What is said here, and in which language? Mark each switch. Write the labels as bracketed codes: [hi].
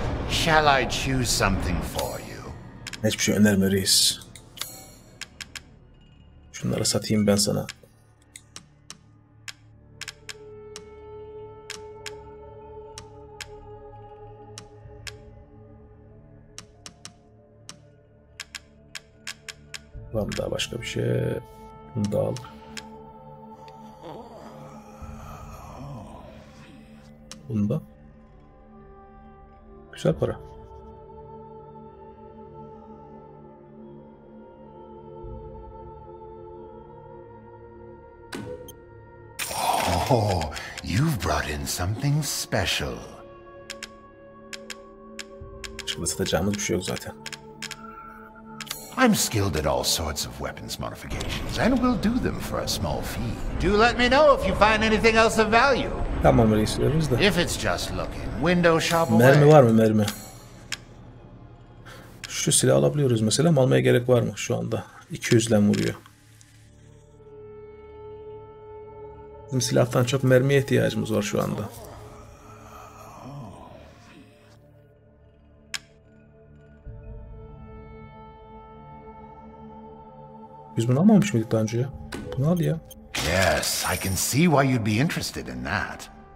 [en] Shall I choose something for you? [tr] Hiçbir şey önerme reis. Şunları satayım ben sana. Var mı daha başka bir şey? Bunu da al. Bunu da. Güzel para. [en] Oh, you've brought in something special. [tr] Şimdi satacağımız bir şey yok zaten. [en] I'm skilled at all sorts of weapons modifications, and will do them for a small fee. Do let me know if you find anything else of value. [tr] Tamam, reisleriz de. [en] If it's just looking, window shop away. [tr] Mermi var mı mermi? Şu silahı alabiliyoruz mesela, almaya gerek var mı şu anda? 200 ile vuruyor. Bizim silahtan çok mermiye ihtiyacımız var şu anda. Biz bunu almamış mıydık daha önce ya? Bunu al ya. [en] Yes, I can see why you'd be interested in that.